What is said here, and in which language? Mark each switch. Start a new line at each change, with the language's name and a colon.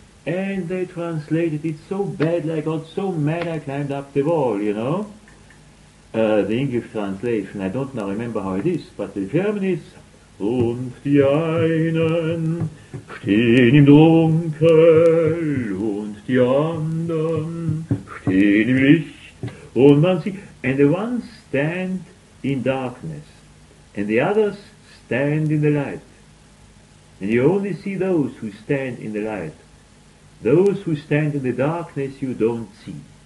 English: And they translated it so badly, I got so mad I climbed up the wall, you know? The English translation, I don't now remember how it is, but the German is,
German: und die einen stehen im Dunkel, und die anderen stehen im Licht, und man sieht,
English: and the ones stand in darkness, and the others stand in the light. And you only see those who stand in the light. Those who stand in the darkness you don't see.